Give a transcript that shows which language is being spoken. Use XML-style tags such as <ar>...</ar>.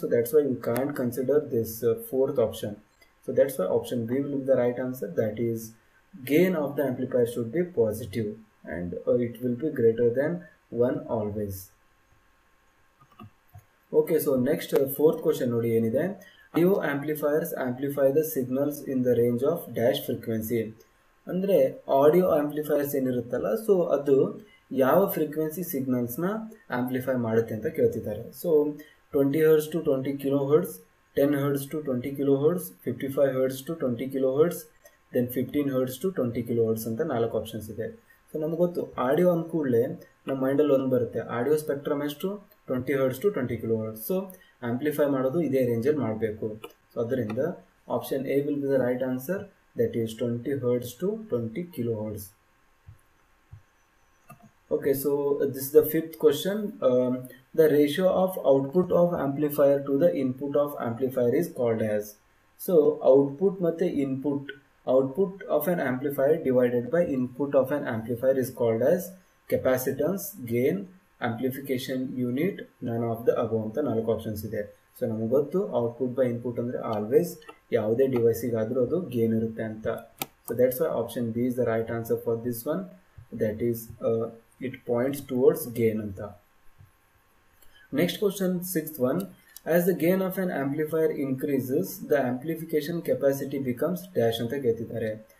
<en>So that's why you can't consider this fourth option. So that's why option B will be the right answer, that is gain of the amplifier should be positive and it will be greater than 1 always. Okay, so next fourth question</en> <kn>nodi enide,</kn> <en>do amplifiers amplify the signals in the range of dash frequency?</en> <kn>ಅಂದರೆ audio amplifiers ಏನಿರುತ್ತಲ್ಲ, so ಅದು ಯಾವ frequency ಸಿಗ್ನಲ್ಸ್ನ amplify ಮಾಡುತ್ತೆ ಅಂತ ಕೇಳ್ತಿದ್ದಾರೆ.</kn> <en>so 20 Hz to 20 kHz, 10 Hz to 20 kHz, 55 Hz to 20 kHz, then 15 Hz to 20 kHz</en> <kn>ಅಂತ ನಾಲ್ಕು options ಇದೆ. So ನಮ್ಗೆ ಗೊತ್ತು ಆಡಿಯೋ ಅಂದ ಕೂಡಲೇ ನಮ್ಮ ಮೈಂಡಲ್ಲಿ ಒಂದು ಬರುತ್ತೆ, ಆಡಿಯೋ ಸ್ಪೆಕ್ಟ್ರಮ್ ಎಷ್ಟು? 20 Hz to 20 kHz. So amplify ಮಾಡೋದು ಇದೇ ರೇಂಜಲ್ಲಿ ಮಾಡಬೇಕು.</kn> <en>So ಅದರಿಂದ option A will be the right answer, that is 20 Hz to 20 kHz. Okay, so this is the fifth question. The ratio of output of amplifier to the input of amplifier is called as. So output mathe input, output of an amplifier divided by input of an amplifier is called as capacitance, gain, amplification unit, none of the above</en> <kn>anta nalaku options ide. So ನಮಗೆ ಗೊತ್ತು output by input ಅಂದರೆ always ಯಾವುದೇ ಡಿವೈಸಿಗಾದರೂ ಅದು gain ಇರುತ್ತೆ ಅಂತ.</kn> <en>So that's why option B is the right answer for this one, that is it points towards gain ಅಂತ. Next question sixth one, as the gain of an amplifier increases the amplification capacity becomes dash</en> <kn>ಅಂತ ಕೇಳ್ತಿದ್ದಾರೆ.</kn>